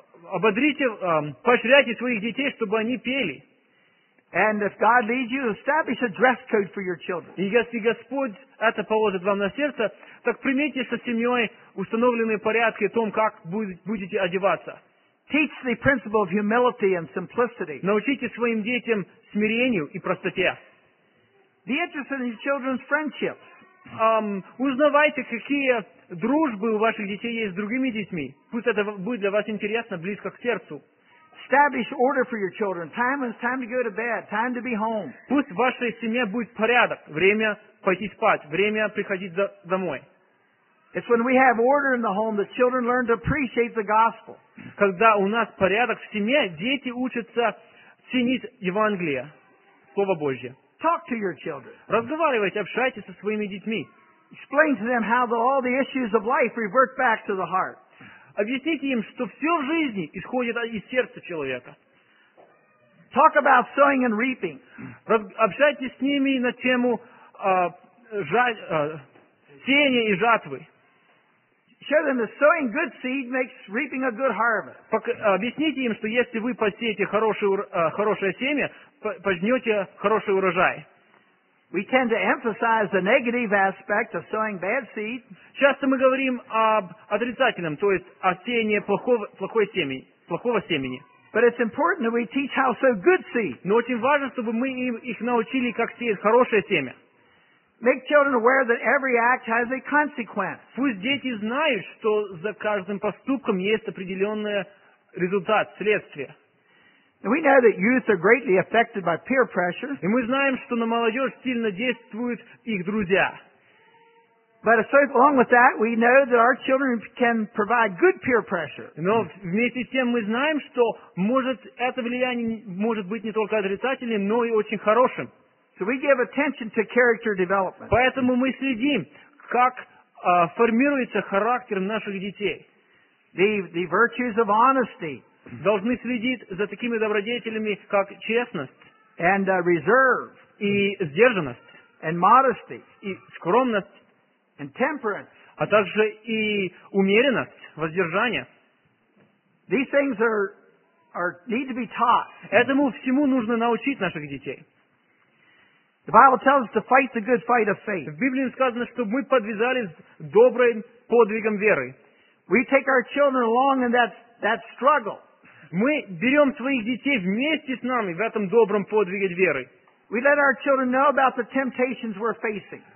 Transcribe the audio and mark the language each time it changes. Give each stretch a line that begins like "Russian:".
Russian: Ободрите, поощряйте своих детей, чтобы они пели.
English: And if God leads you, establish a dress code for your children.
Russian: И если Господь это положит вам на сердце, так примите со семьей установленные порядки о том, как будете одеваться.
English: Teach the principle of humility and simplicity.
Russian: Научите своим детям смирению и простоте.
English: Be interested in your children's friendships.
Russian: Узнавайте, какие дружбы у ваших детей есть с другими детьми. Пусть это будет для вас интересно, близко к сердцу.
English: Establish order for your children. Time is time to go to bed. Time to be home.
Russian: Пусть в вашей семье будет порядок. Время пойти спать. Время приходить домой.
English: It's when we have order in the home that children learn to appreciate the gospel.
Russian: Когда у нас порядок в семье, дети учатся ценить Евангелие, Слово Божье.
English: Talk to your children.
Russian: Разговаривайте, общайтесь со своими детьми.
English: Explain to them how all the issues of life revert back to the heart.
Russian: Объясните им, что все в жизни исходит из сердца человека.
English: Talk about sowing and reaping.
Russian: Общайтесь с ними на тему сеяния и жатвы.
English: Show them that sowing good seed makes reaping a good harvest.
Russian: Объясните им, что если вы посеете хорошее семя, пожнете хороший урожай.
English: We tend to emphasize the negative aspect of sowing bad seed.
Russian: Часто мы говорим об отрицательном, то есть о сеянии плохого семени.
English: But it's important that we teach how to sow good seed.
Russian: Но очень важно, чтобы мы их научили, как сеять хорошее семя.
English: Make children aware that every act has a consequence.
Russian: Пусть дети знают, что за каждым поступком есть определенный результат, следствие.
English: We know that youth are greatly affected by peer pressure.
Russian: И мы знаем, что на молодежь сильно действуют их друзья.
English: But along with that, we know that our children can provide good peer pressure.
Russian: Но вместе с тем мы знаем, что это влияние может быть не только отрицательным, но и очень хорошим.
English: So we give attention to character development.
Russian: Поэтому мы следим, как формируется характер наших детей.
English: The virtues of honesty.
Russian: Должны следить за такими добродетелями, как честность.
English: And reserve.
Russian: И сдержанность.
English: And modesty.
Russian: И скромность.
English: And temperance.
Russian: А также и умеренность, воздержание.
English: These things are need to be taught.
Russian: Этому всему нужно научить наших детей.
English: The Bible tells us to fight the good fight of faith.
Russian: В Библии сказано, чтобы мы подвязались добрым подвигом веры.
English: We take our children along in that struggle.
Russian: Мы берем своих детей вместе с нами в этом добром подвиге веры.
English: We let our children know about the temptations we're facing.